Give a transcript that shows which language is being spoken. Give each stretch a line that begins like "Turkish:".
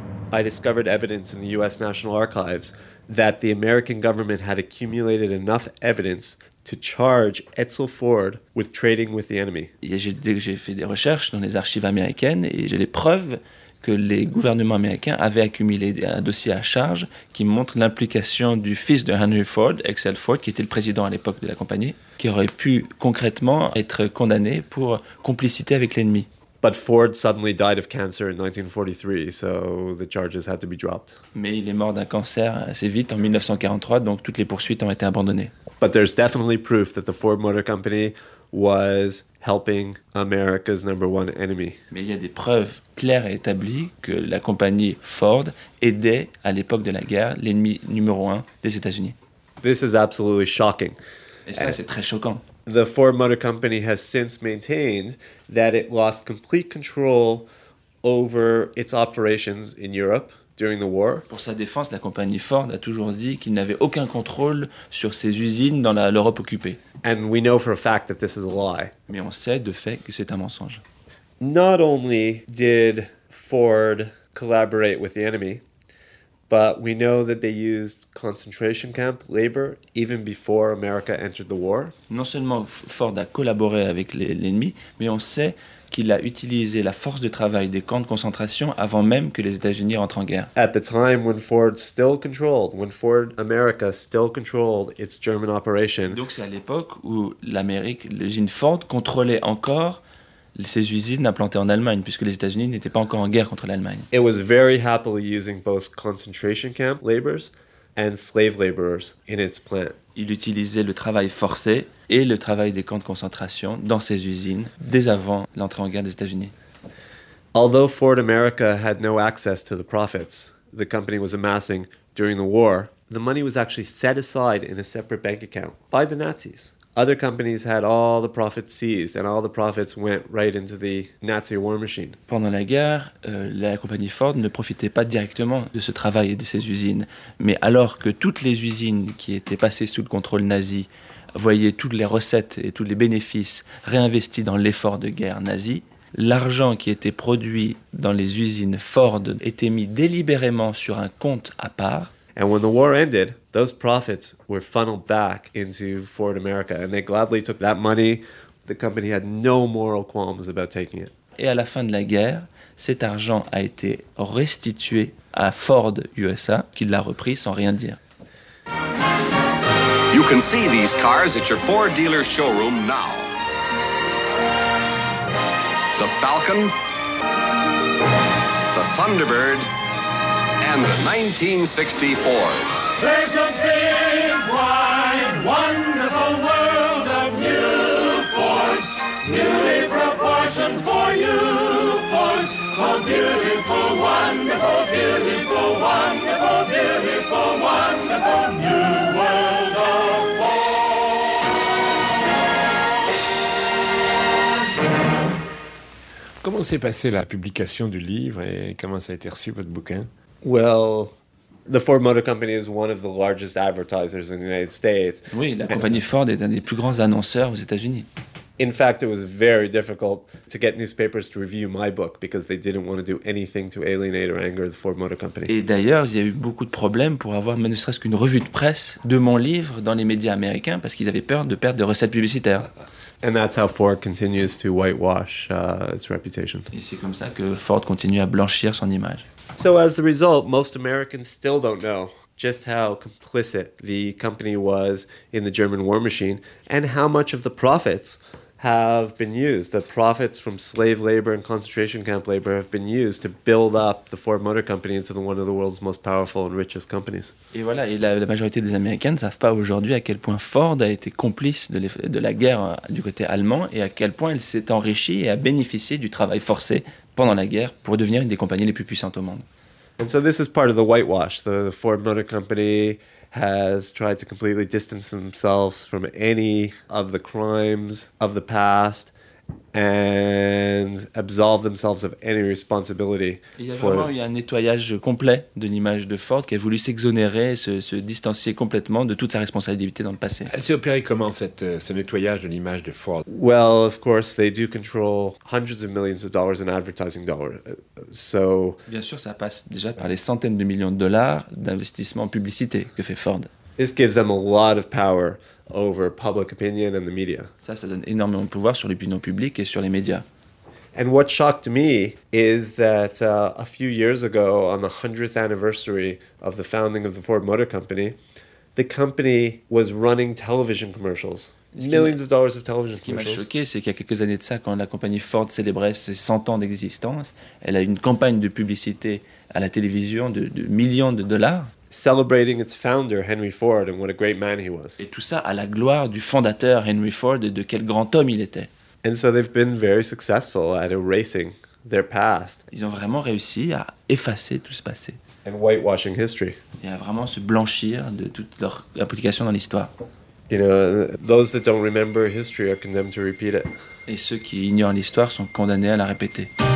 English: I discovered evidence in the US National Archives that the American government had accumulated enough evidence to charge Edsel Ford with trading with the enemy.
French: J'ai fait des recherches dans les archives américaines et j'ai les preuves que les gouvernements américains avaient accumulé un dossier à charge qui montre l'implication du fils de Henry Ford, Excel Ford, qui était le président à l'époque de la compagnie, qui aurait pu concrètement être condamné pour complicité avec l'ennemi.
English: But Ford suddenly died of cancer in 1943, so the charges had to be dropped.
French: Mais il est mort d'un cancer assez vite en 1943, donc toutes les poursuites ont été abandonnées.
English: But there's definitely proof that the Ford Motor Company was helping America's number one enemy.
French: Mais il y a des preuves claires et établies que la compagnie Ford aidait à l'époque de la guerre l'ennemi numéro un des États-Unis.
English: This is absolutely shocking.
French: Et ça, c'est très choquant.
English: The Ford Motor Company has since maintained that it lost complete control over its operations in Europe during the war.
French: Pour sa défense, la compagnie Ford a toujours dit qu'il n'avait aucun contrôle sur ses usines dans l'Europe occupée.
English: And we know for a fact that this is a lie.
French: Mais on sait de fait que c'est un mensonge.
English: Not only did Ford collaborate with the enemy, but we know that they used concentration camp labor even before America entered the war.
French: Non seulement Ford a collaboré avec l'ennemi, mais on sait qu'il a utilisé la force de travail des camps de concentration avant même que les États-Unis rentrent en guerre.
English: At the time when Ford still controlled, when Ford America still controlled its German operation.
French: Donc c'est à l'époque où l'Amérique, l'usine Ford contrôlait encore ces usines implantées en Allemagne, puisque les États-Unis n'étaient pas encore en guerre contre l'Allemagne.
English: It was very happily using both concentration camp laborers and slave laborers in its plant.
French: Il utilisait le travail forcé et le travail des camps de concentration dans ses usines dès avant l'entrée en guerre des États-Unis.
English: Although Ford America had no access to the profits the company was amassing during the war, the money was actually set aside in a separate bank account by the Nazis. Other companies had all the profits seized and all the profits went right into the Nazi war machine.
French: Pendant la guerre, la compagnie Ford ne profitait pas directement de ce travail et de ses usines, mais alors que toutes les usines qui étaient passées sous le contrôle nazi voyaient toutes les recettes et tous les bénéfices réinvestis dans l'effort de guerre nazi, l'argent qui était produit dans les usines Ford était mis délibérément sur un compte à part.
English: And when the war ended, those profits were funneled back into Ford America, and they gladly took that money. The company had no moral qualms about taking it.
French: Et à la fin de la guerre, cet argent a été restitué à Ford USA, qui l'a repris sans rien dire.
English: You can see these cars at your Ford dealer showroom now. The Falcon, the Thunderbird, and the 1964s. There's a big, wide, wonderful world of new Fords, newly proportioned for you, Fords. Oh, beautiful, wonderful, beautiful, wonderful, beautiful, wonderful, new world of Fords.
French: Comment s'est passée la publication du livre et comment ça a été reçu votre bouquin?
English: Well, the Ford Motor Company is one of the largest advertisers in the United States.
French: Oui, la compagnie Ford est un des plus grands annonceurs aux États-Unis.
English: In fact, it was very difficult to get newspapers to review my book because they didn't want to do anything to alienate or anger the Ford Motor Company.
French: Et d'ailleurs, il y a eu beaucoup de problèmes pour avoir ne serait-ce qu'une revue de presse de mon livre dans les médias américains parce qu'ils avaient peur de perdre des recettes publicitaires.
English: And that's how Ford continues to whitewash its reputation.
French: Et c'est comme ça que Ford continue à blanchir son image.
English: So as a result, most Americans still don't know just how complicit the company was in the German war machine and how much of the profits have been used. The profits from slave labor and concentration camp labor have been used to build up the Ford Motor Company into one of the world's most powerful and richest companies.
French: Et voilà, et la majorité des Américains ne savent pas aujourd'hui à quel point Ford a été complice de la guerre du côté allemand et à quel point elle s'est enrichie et a bénéficié du travail forcé pendant la guerre pour devenir une des compagnies les plus puissantes au monde.
English: And so this is part of the whitewash. The Ford Motor Company has tried to completely distance themselves from any of the crimes of the past and absolve themselves of any responsibility.
French: Il y a vraiment eu un nettoyage complet de l'image de Ford qui a voulu s'exonérer, se distancier complètement de toute sa responsabilité dans le passé. Elle s'est opérée comment ce nettoyage de l'image de Ford?
English: Well, of course, they do control hundreds of millions of dollars in advertising dollars. So
French: bien sûr, ça passe déjà par les centaines de millions de dollars d'investissement en publicité que fait Ford.
English: This gives them a lot of power over public opinion and the media.
French: Ça donne énormément de pouvoir sur l'opinion publique et sur les médias.
English: And what shocked me is that a few years ago, on the 100th anniversary of the founding of the Ford Motor Company, the company was running television commercials. Millions of dollars of television commercials.
French: Ce qui m'a choqué, c'est qu'il y a quelques années de ça, quand la compagnie Ford célébrait ses 100 ans d'existence, elle a une campagne de publicité à la télévision de millions de dollars.
English: Celebrating its founder, Henry Ford, and what a great man he was.
French: Et tout ça à la gloire du fondateur Henry Ford et de quel grand homme il était.
English: And so they've been very successful at erasing their past.
French: Ils ont vraiment réussi à effacer tout ce passé.
English: And whitewashing history.
French: Et à vraiment se blanchir de toute leur implication dans l'histoire.
English: You know, those that don't remember history are condemned to repeat it.
French: Et ceux qui ignorent l'histoire sont condamnés à la répéter.